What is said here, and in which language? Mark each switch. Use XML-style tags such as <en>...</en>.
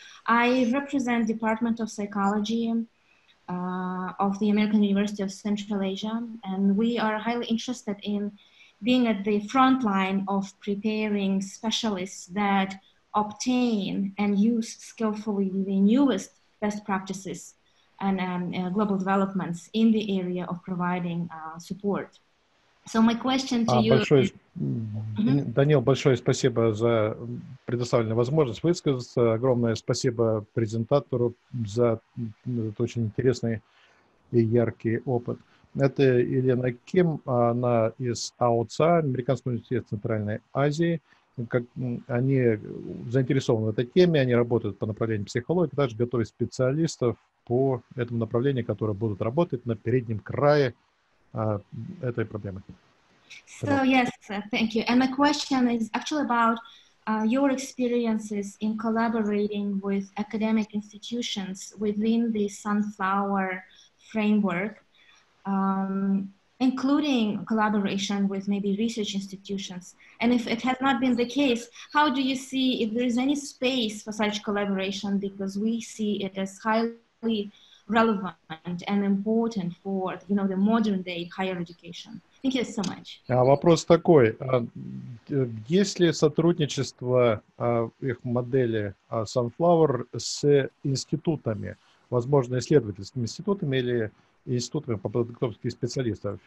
<en>I represent Department of Psychology of the American University of Central Asia, and we are highly interested in being at the front line of preparing specialists that obtain and use skillfully the newest best practices and global developments in the area of providing support. So my question to you...</en> <ru>Данил, большое спасибо за предоставленную возможность высказаться. Огромное спасибо презентатору за этот очень интересный и яркий опыт. Это Елена Ким, она из АОЦА, Американского университета Центральной Азии. Как, они заинтересованы в этой теме, они работают по направлению психологии, также готовят специалистов по этому направлению, которые будут работать на переднем крае этой проблемы.</ru> <en>So, yes, thank you. And my question is actually about your experiences in collaborating with academic institutions within the Sunflower framework, including collaboration with maybe research institutions. And if it has not been the case, how do you see if there is any space for such collaboration? Because we see it as highly relevant and important for, you know, the modern day higher education. Thank you so much.</en> <ru>Вопрос такой. Есть ли сотрудничество их модели Sunflower с институтами, возможно, исследовательскими институтами или институтами по подготовке специалистов?</ru>